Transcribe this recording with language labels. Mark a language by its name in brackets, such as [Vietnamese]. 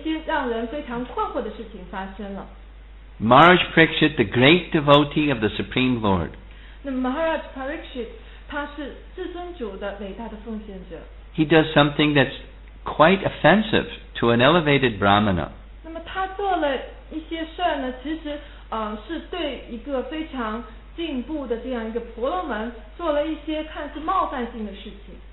[Chinese] 那么在那一部分的最后呢，就是是有一些让人非常困惑的事情发生了。 [English] Maharaj Parikshit, the great devotee of the Supreme Lord. [Chinese] 那么Maharaj Parikshit, 他是至尊主的伟大的奉献者。 [English] He does something that's quite offensive to an elevated Brahmana. [Chinese] 那么他做了一些事呢，其实是对一个非常进步的这样一个婆罗门做了一些看似冒犯性的事情。